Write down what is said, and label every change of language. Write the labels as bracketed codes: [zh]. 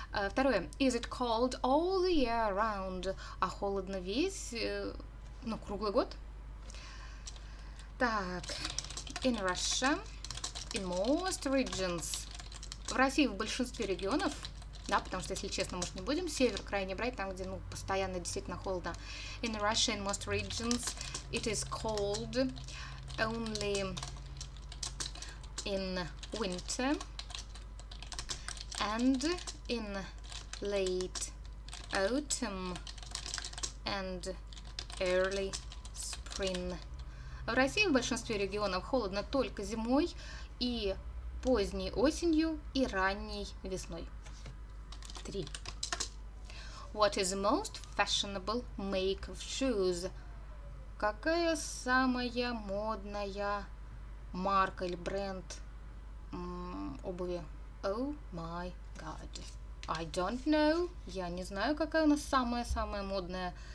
[ru] Второе. [en] Is it cold all the year round? [ru] А холодно весь... Ну, круглый год. [en] Так, in Russia, in most regions. [ru] В России в большинстве регионов, да, потому что, если честно, может, не будем север крайне брать, там, где, ну, постоянно действительно холодно. [en] In Russia, in most regions, it is cold only in winter and in late autumn and early spring. [ru] В России в большинстве регионов холодно только зимой и поздней осенью и ранней весной. 3. [en] What is the most fashionable make of shoes? [ru] Какая самая модная марка или бренд обуви? [en] Oh my god. I don't know. [ru] Я не знаю, какая у нас самая-самая модная.